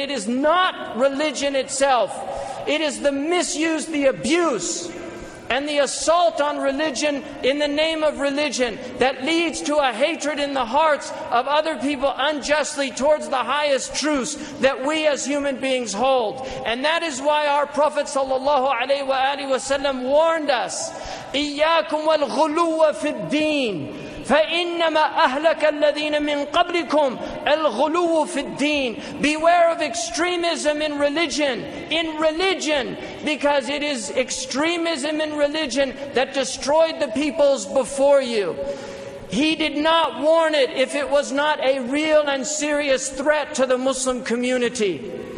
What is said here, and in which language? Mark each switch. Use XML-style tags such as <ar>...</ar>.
<en>It is not religion itself. It is the misuse, the abuse, and the assault on religion in the name of religion that leads to a hatred in the hearts of other people unjustly towards the highest truths that we as human beings hold. And that is why our Prophet sallallahu alaihi wasallam warned us,</en> <ar>إِيَّاكُمْ وَالْغُلُوَّ فِي الدِّينِ فَإِنَّمَا أَهْلَكَ الَّذِينَ مِنْ قَبْلِكُمْ الْغُلُوُّ فِي الدِّينِ.</ar> <en>Beware of extremism in religion. In religion, because it is extremism in religion that destroyed the peoples before you. He did not warn it if it was not a real and serious threat to the Muslim community.</en>